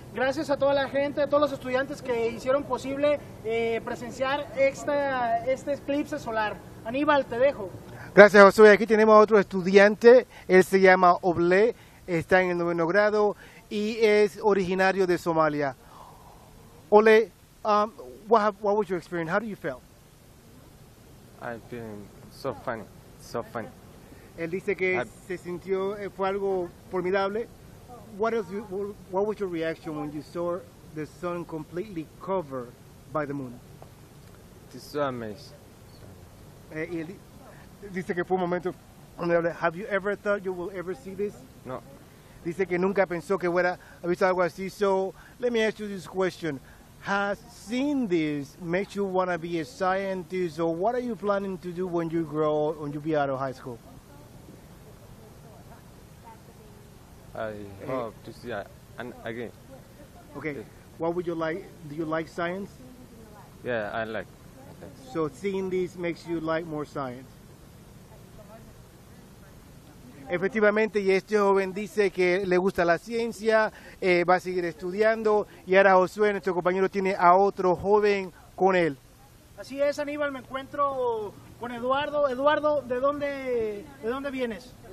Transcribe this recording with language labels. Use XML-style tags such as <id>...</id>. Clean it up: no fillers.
<es>Gracias a toda la gente, a todos los estudiantes que hicieron posible presenciar este eclipse solar. Aníbal, te dejo. Gracias, Josué. Aquí tenemos a otro estudiante. Él se llama Oble, está en el noveno grado y es originario de Somalia.</es> <en>Oble, what was your experience? How do you feel? I'm feeling so funny, so funny.</en> <es>Él dice que se sintió, fue algo formidable.</es> <en>What was your reaction when you saw the sun completely covered by the moon? It's so amazing.</en> <es>Él dice que fue un momento formidable.</es> <en>Have you ever thought you will ever see this? No.</en> <es>Dice que nunca pensó que hubiera visto algo así.</es> <en>So let me ask you this question. Has seen this made you want to be a scientist, or what are you planning to do when you grow, when you be out of high school? I hope to see it again. Okay, what would you like? Do you like science? Yeah, I like. So seeing this makes you like more science?</en> <es>Efectivamente, y este joven dice que le gusta la ciencia, va a seguir estudiando, y ahora Josué, nuestro compañero, tiene a otro joven con él. Así es, Aníbal, me encuentro con Eduardo. Eduardo, ¿de dónde vienes?</es>